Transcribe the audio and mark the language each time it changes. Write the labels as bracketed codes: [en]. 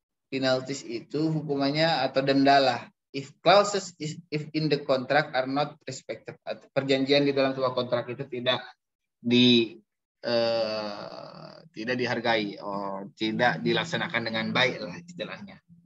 [id] Penalties itu hukumannya atau denda lah. [en] If clauses if in the contract are not respected. [id] Perjanjian di dalam sebuah kontrak itu tidak dihargai or tidak dilaksanakan dengan baik lah istilahnya.